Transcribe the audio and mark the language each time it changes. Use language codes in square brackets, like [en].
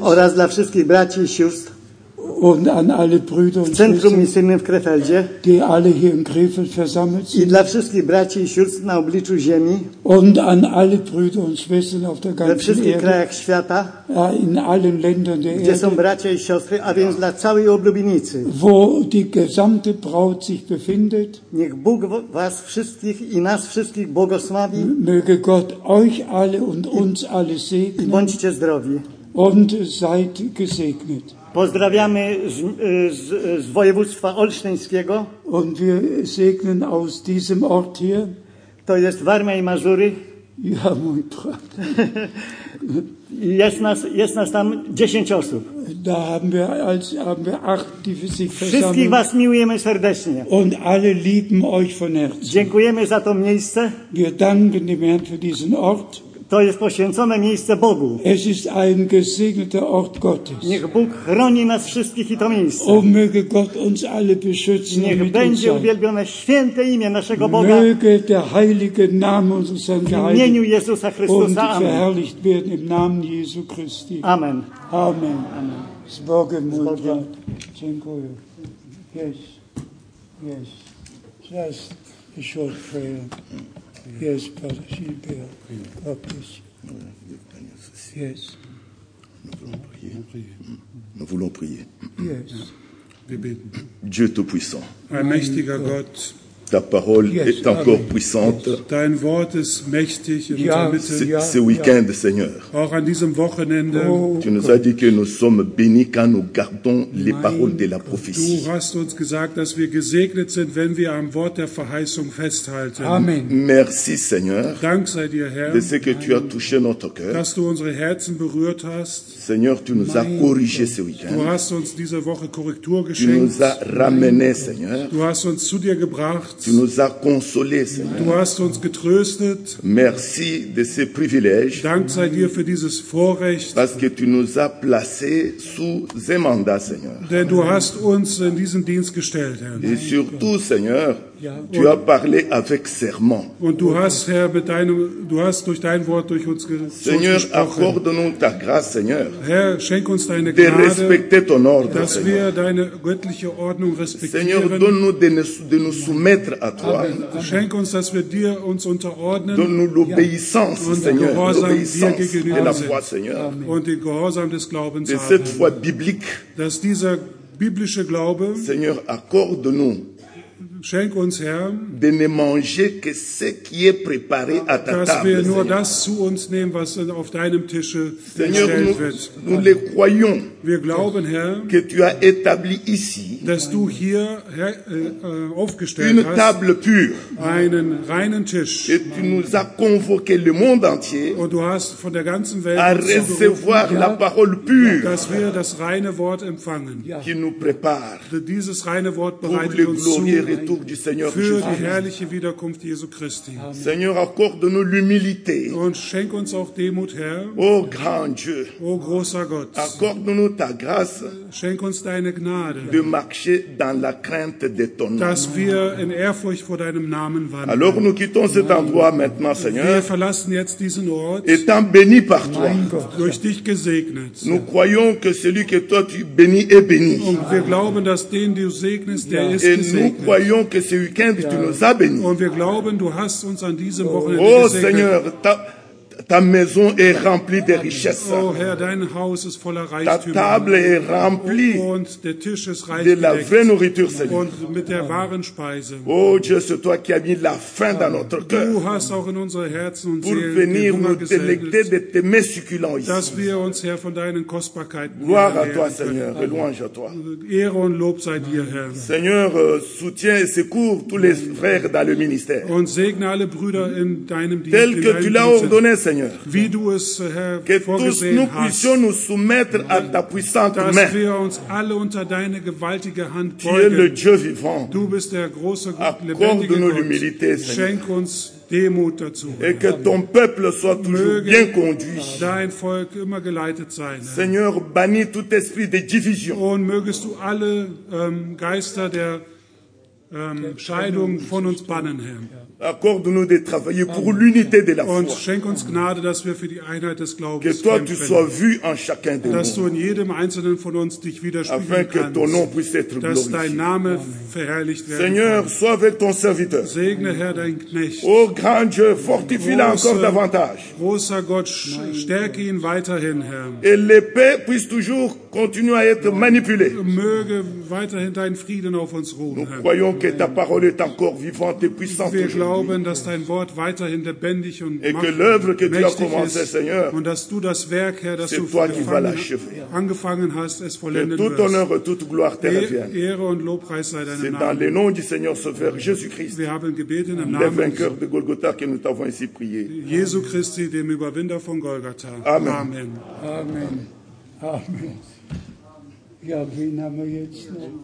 [pl] Oraz dla wszystkich braci i sióstr. [de] Und an alle Brüder [pl] und Centrum misyjnym w Krefeldzie, [de] die alle hier in Krefeld versammelt sind. [pl] I dla wszystkich braci i sióstr na obliczu ziemi. [de] Und an alle Brüder und Schwestern auf der ganzen [pl] wszystkich krajach świata, [de] in allen Ländern der [pl] gdzie [de] Erde, [pl] są bracia i siostry, a więc dla całej oblubienicy, [de] wo die gesamte Braut sich befindet. [pl] Niech Bóg was wszystkich i nas wszystkich błogosławi. [de] Möge Gott euch alle und uns alle segnen. [pl] I bądźcie zdrowi. [de] Und seid gesegnet. [pl] Pozdrawiamy z województwa olsztyńskiego. [de] Und wir segnen aus diesem Ort hier. [pl] To jest Warmia i Mazury. Ja, mój brat. jest nas tam 10 osób. [de] Da haben wir 8, die sich versammeln. [pl] Wszystkich was miłujemy serdecznie. [de] Und alle lieben euch von Herzen. [pl] Dziękujemy za to miejsce. [de] Wir danken dem Herrn für diesen Ort. [pl] To jest poświęcone miejsce Bogu. [de] Es ist ein gesegneter Ort Gottes. [pl] Niech Bóg chroni nas wszystkich i to miejsce. [de] O, möge Gott uns alle beschützen. [pl] Niech będzie uwielbione święte imię naszego Boga. [de] Möge der heilige Name unseres Herrn geheiligt. [pl] W imieniu Jezusa Chrystusa. [de] Und verherrlicht werden im Namen Jezu Christi. Amen. Amen. Amen. [pl] Z Bogiem, mój brat. Dziękuję. [en] Yes. Yes. Just a short prayer. Yes, Brother Gilbert. God bless you. Yes. [fr] Nous voulons prier. Nous voulons prier. [en] Yes. [fr] Dieu Tout-Puissant. [de] Allmächtiger Gott. [fr] Ta parole est encore puissante. [de] Dein Wort ist mächtig in unserer Mitte. [fr] Ce week-end, Seigneur. [de] Auch an diesem Wochenende. [fr] Tu nous as dit que nous sommes bénis quand nous gardons les paroles de la prophétie. [de] Du hast uns gesagt, dass wir gesegnet sind, wenn wir am Wort der Verheißung festhalten. Amen. [fr] Merci, Seigneur. [de] Dank sei dir, Herr. [fr] De ce que tu as touché notre cœur. [de] Dass du unsere Herzen berührt hast. [fr] Seigneur, tu nous as corrigé ce week-end. [de] Du hast uns diese Woche Korrektur geschenkt. [fr] Tu nous as ramené, Seigneur. [de] Du hast uns zu dir gebracht. [fr] Tu nous as consolés, Seigneur. [de] Du hast uns getröstet. [fr] Merci de ce privilège. [de] Dank sei dir für dieses Vorrecht. [fr] Parce que tu nous as placés sous un mandat, Seigneur. [de] Denn du hast uns in diesen Dienst gestellt, Herr. [fr] Et surtout, Seigneur, tu as parlé avec serment. [de] Und du hast, Herr, mit deinem, du hast durch dein Wort durch uns gesprochen. [fr] Seigneur, accorde-nous ta grâce, Seigneur. [de] Herr, schenk uns deine [fr] de [de] Gnade. [fr] Respecter ton ordre, [de] dass [fr] Seigneur. [de] Wir deine göttliche Ordnung respektieren. [fr] Seigneur, donne-nous de nous soumettre à toi. [de] Schenk uns, dass wir dir uns unterordnen. [fr] Donne-nous l'obéissance, Seigneur. L'obéissance de la foi, Seigneur. [de] Und den Gehorsam des Glaubens. [fr] De cette foi biblique. [de] Dass dieser biblische Glaube. [fr] Seigneur, accorde-nous. [de] Schenk uns, Herr, [fr] de ne manger que ce qui est préparé à ta [de] dass [fr] table, [de] wir nur [fr] Seigneur. [de] Das zu uns nehmen, was auf deinem Tische [fr] Seigneur, [de] gestellt [fr] nous, [de] wird. [fr] Nous les croyons, [de] wir glauben, Herr, [fr] que tu as établi ici, [de] dass du hier Herr, aufgestellt [fr] une [de] hast, [fr] table pure, [de] einen reinen Tisch. [fr] Et tu nous as convoqué le monde entier, [de] und du hast von der ganzen Welt [fr] à recevoir la parole pure, [de] dass wir das reine Wort empfangen, [fr] qui nous prépare, [de] dieses reine Wort bereitet uns zu. [fr] Du Seigneur [de] für die herrliche Wiederkunft Jesu Christi. Amen. [fr] Seigneur, accorde-nous l'humilité. [de] Und schenk uns auch Demut, Herr. [fr] O grand Dieu. [de] O großer Gott. [fr] Accorde-nous ta grâce. [de] Schenk uns deine Gnade. [fr] De marcher dans la crainte de ton nom. [de] Dass wir in Ehrfurcht vor deinem Namen wandeln. [fr] Alors nous quittons cet endroit maintenant, Seigneur. [de] Wir verlassen jetzt diesen Ort. [fr] Étant béni par toi. [de] Durch dich gesegnet. [fr] Nous croyons que celui que toi tu bénis est béni. [de] Und wir glauben, dass den, den du segnest, der ist gesegnet. [fr] Que ce week-end tu nous as bénis. [de] Und wir glauben, du hast uns an diesem Wochenende oh, gesegnet. [fr] Oh Seigneur, ta maison est remplie de richesses. [de] Oh Herr, dein Haus ist voller Reichtümer. [fr] Ta table est remplie [de] und der Tisch ist reich [fr] de la vraie nourriture, Seigneur. [de] Und mit der wahren Speise. [fr] Oh Dieu, c'est toi qui as mis la faim dans notre cœur. [de] Du hast auch in unsere Herzen und [fr] pour venir nous délecter de tes mets succulents ici. [de] Dass wir uns, Herr, von deinen Kostbarkeiten [fr] gloire à toi, Seigneur. Et louange à toi. [de] Ehre und Lob sei dir, Herr. [fr] Seigneur, soutiens et secours tous les frères dans le ministère. [de] Und segne alle Brüder in deinem Dienst. [fr] Tel que tu l'as ordonné, Seigneur. Seigneur. [de] Wie du es, Herr, [fr] que tous nous puissions nous soumettre à ta puissante [de] dass [fr] main. [de] Wir uns alle unter deine gewaltige Hand [fr] tu es le Dieu vivant. [de] Du bist der große, [fr] accorde-nous l'humilité, Seigneur. [de] Schenk uns Demut dazu. [fr] Et que ton peuple soit toujours [de] möge [fr] bien conduit. [de] Dein Volk immer geleitet sein, [fr] Seigneur, bannis tout esprit de division. [de] Und mögest du alle Geister der Scheidung von uns bannen, Herr. [fr] Accorde-nous de travailler pour l'unité de la foi. [de] Und schenk uns Gnade, dass wir für die Einheit des Glaubens kämpfen. [fr] Que toi tu sois vu en chacun de nous. [de] Dass du in jedem einzelnen von uns dich widerspiegeln kannst. [fr] Afin que ton nom puisse être glorifié. [de] Dass dein Name verherrlicht werden [fr] Seigneur, [de] kann. [fr] Sois avec ton serviteur. [de] Segne, Herr, dein Knecht. [fr] O grand Dieu, fortifie-le encore davantage. [de] Großer Gott, stärke ihn weiterhin, Herr. [fr] Et l'épée puisse toujours continuer à être manipulée. [de] Möge weiterhin dein Frieden auf uns ruhen, [fr] nous [de] Herr. [fr] Croyons que ta parole est encore vivante et puissante. [de] Wir glauben, dass dein Wort weiterhin lebendig und mächtig ist und dass du das Werk, Herr, das du angefangen hast, es vollenden wirst. [fr] Honneur, toute gloire te revienne. [de] Ehre und Lobpreis sei deinem [fr] C'est [de] Namen. [fr] Dans le nom du Seigneur Sauveur, Jésus Christ, [de] wir haben gebeten im [fr] le [de] Namen [fr] vainqueur de Golgotha, que nous t'avons ainsi prié. [de] Jesu Christi, dem Überwinder von Golgatha. Amen. Amen. Amen. Amen. Ja, wen haben wir jetzt noch?